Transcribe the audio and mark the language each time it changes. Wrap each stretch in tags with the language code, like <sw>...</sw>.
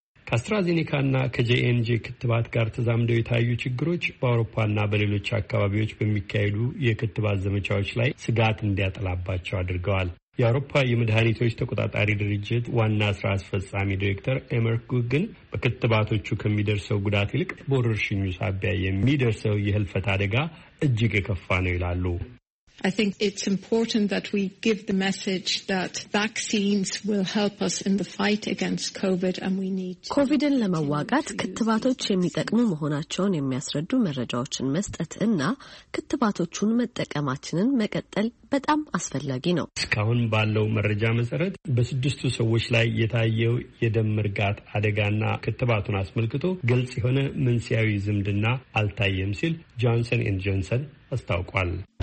<am>ከአስትራዜኒካና ከጂኤንጂ ክትባት ጋር ተዛምደው የታዩ ችግሮች በአውሮፓና በሌሎች አካባቢዎች በሚካሄዱ የክትባት ዘመቻዎች ላይ ስጋት እንዲያጠላባቸው አድርገዋል። የአውሮፓ የመድኃኒቶች ተቆጣጣሪ ድርጅት ዋና ስራ አስፈጻሚ ዲሬክተር ኤመር ኩክ ግን በክትባቶቹ ከሚደርሰው ጉዳት ይልቅ በወረርሽኙ ሳቢያ የሚደርሰው የህልፈት አደጋ እጅግ የከፋ ነው ይላሉ።</am> <en>I think it's important that we give the message that vaccines will help us in the fight against COVID and we need</en> <am>COVIDን ለመዋጋት ክትባቶች የሚጠቅሙ መሆናቸውን የሚያስረዱ መረጃዎችን መስጠት እና ክትባቶቹን መጠቀማችንን መቀጠል በጣም አስፈላጊ ነው። እስካሁን ባለው መረጃ መሰረት በስድስቱ ሰዎች ላይ የታየው የደም መርጋት አደጋና ክትባቱን አስመልክቶ ግልጽ የሆነ መንስያዊ ዝምድና አልታየም ሲል Johnson & Johnson አስታውቋል።</am>